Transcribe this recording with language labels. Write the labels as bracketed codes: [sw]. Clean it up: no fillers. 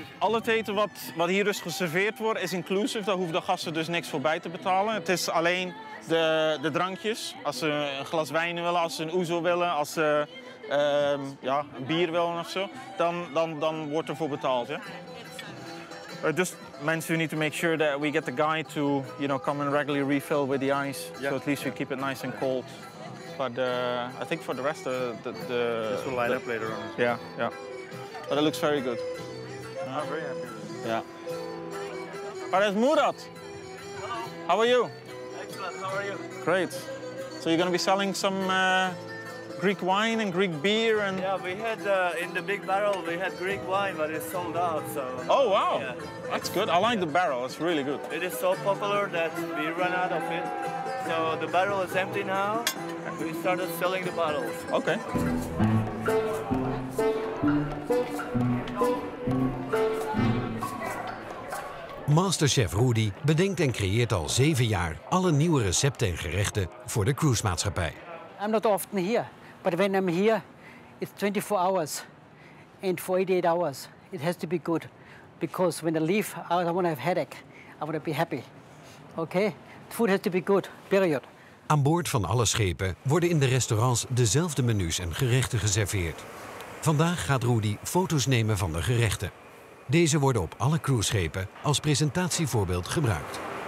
[nl] Al het eten wat hier dus geserveerd wordt is inclusive. Daar hoeven de gasten dus niks voor bij te betalen. Het is alleen de drankjes. Als ze een glas wijn willen, als ze een oezo willen, als ze een bier willen of zo, dan wordt er voor betaald. [en] Yeah? Just mensen, we need to make sure that we get the guy to, you know, come and regularly refill with the ice. Yeah. So at least we keep it nice and cold. But I think for the rest, the this will line up later on. Yeah, yeah. But it looks very good. I'm very happy with it. Yeah. But it's Murat. Hello. How are you? Excellent. How are you? Great. So you're going to be selling some Greek wine and Greek beer and... Yeah, we had, in the big barrel, we had Greek wine, but it sold out, so... Oh, wow! Yeah. That's good. I like the barrel. It's really good. It is so popular that we ran out of it. So the barrel is empty now. We started selling the bottles. Okay. [nl] Masterchef Rudy bedenkt en creëert al 7 jaar alle nieuwe recepten en gerechten voor de cruisemaatschappij. [en] I'm not often here. But when I'm here, it's 24 hours, and for 88 hours, it has to be good. Because when I leave, I don't want to have headache. I want to be happy. Okay? The food has to be good, period. [nl] Aan boord van alle schepen worden in de restaurants dezelfde menus en gerechten geserveerd. Vandaag gaat Rudy foto's nemen van de gerechten. Deze worden op alle cruiseschepen als presentatievoorbeeld gebruikt.